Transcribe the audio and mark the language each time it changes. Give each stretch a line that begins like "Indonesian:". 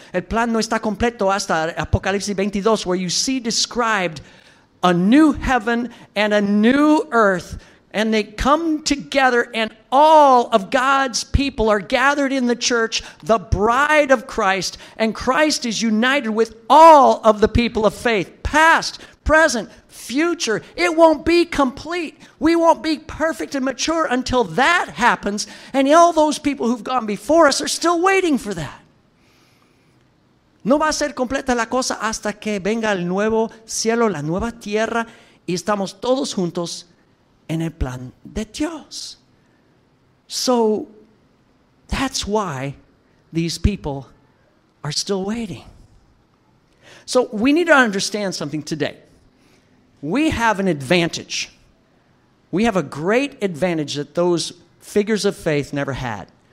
Spanish: El plan no está completo hasta Apocalipsis 22,
English: where you see described a new heaven and a new earth, and they come together, and all of God's people are gathered in the church, the bride of Christ, and Christ is united with all of the people of faith, past, present, future. It won't be complete. We won't be perfect and mature until that happens. And all those people who've gone before us are still waiting for that.
Spanish: No va a ser completa la cosa hasta que venga el nuevo cielo, la nueva tierra, y estamos todos juntos en el plan de Dios.
English: So that's why these people are still waiting. So we need to understand something today. We have an advantage. We have a great advantage that those figures of faith never had.